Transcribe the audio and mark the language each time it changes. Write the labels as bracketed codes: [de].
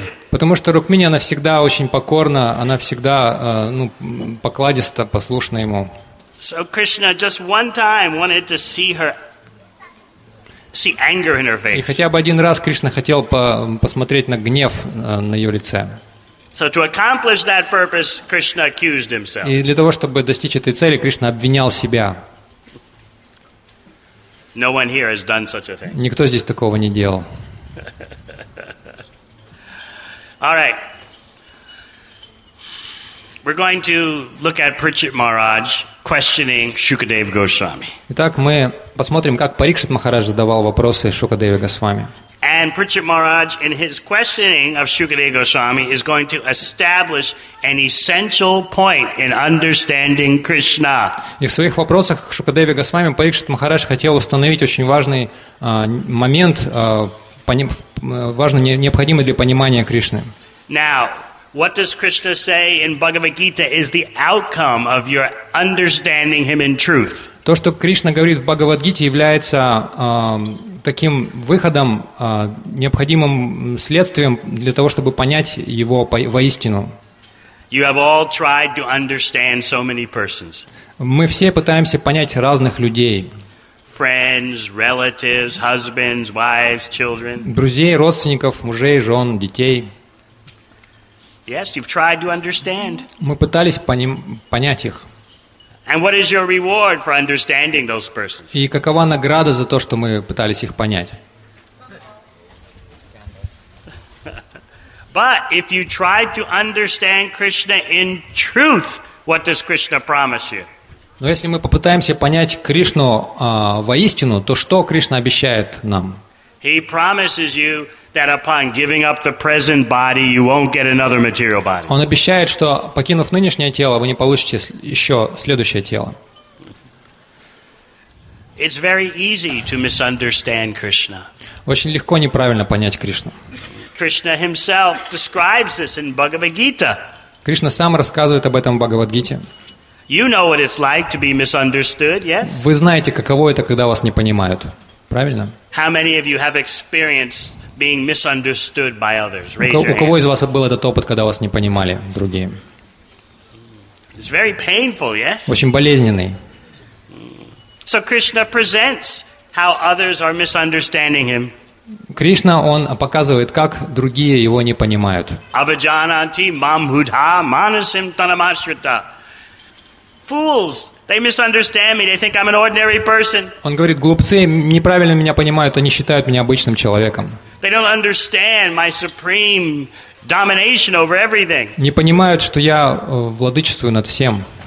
[ru] Потому что Рукмини, она всегда очень покорна, она всегда покладиста, послушна ему. [en] So Krishna just one time wanted to see her, see anger in her face. [ru] И хотя бы один раз Кришна хотел посмотреть на гнев на ее лице. [en] So to accomplish that purpose, Krishna accused himself. [ru] И для того, чтобы достичь этой цели, Кришна обвинял себя. [en] No one here has done such a thing. [ru] Никто здесь такого не делал. [en] All right. We're going to look at Parikshit Maharaj questioning Shukadeva Goswami. [ru] Итак, мы посмотрим, как Парикшит Махарадж задавал вопросы Шукадеве Госвами. [en] And Parikshit Maharaj, in his questioning of Shukadeva Goswami, is going to establish an essential point in understanding Krishna. [ru] И в своих вопросах к Шукадеве Госвами Парикшит Махарадж хотел установить очень важный момент, важный, необходимый для понимания Кришны. [en] Now, what does Krishna say in Bhagavad Gita is the outcome of your understanding Him in truth? [ru] То, что Кришна говорит в Бхагавадгите, является таким выходом, необходимым следствием для того, чтобы понять его воистину. [en] You have all tried to understand so many persons. [ru] Мы все пытаемся понять разных людей. [en] Friends, relatives, husbands, wives, children. [ru] Друзей, родственников, мужей, жен, детей. [en] Yes, you've tried to understand. [ru] Мы пытались понять их. [en] And what is your reward for understanding those persons? [ru] И какова награда за то, что мы пытались их понять? [en] But if you tried to understand Krishna in truth, what does Krishna promise you? [ru] Но если мы попытаемся понять Кришну воистину, то что Кришна обещает нам? [en] He promises you that upon giving up the present body, you won't get another material body. [ru] Он обещает, что покинув нынешнее тело, вы не получите еще следующее тело. [en] It's very easy to misunderstand Krishna. [ru] Очень легко неправильно понять Кришну. [en] Krishna himself describes this in Bhagavad Gita. [ru] Кришна сам рассказывает об этом в Бхагавадгите. [en] You know what it's like to be misunderstood, yes? [ru] Вы знаете, каково это, когда вас не понимают, правильно? [en] How many of you have experienced being misunderstood by others? [ru] У кого из вас был этот опыт, когда вас не понимали другие? [en] It's very painful, yes? [ru] Очень болезненный. [en] So Krishna presents how others are misunderstanding him. [ru] Кришна, он показывает, как другие его не понимают. [sa] Avajananti mamhudha manasim tanamashrita. [en] Fools, they misunderstand me. They think I'm an ordinary person. [ru] Он говорит, глупцы неправильно меня понимают, они считают меня обычным человеком. [en] They don't understand my supreme domination over everything. [ru] Не понимают, что я владычествую над всем.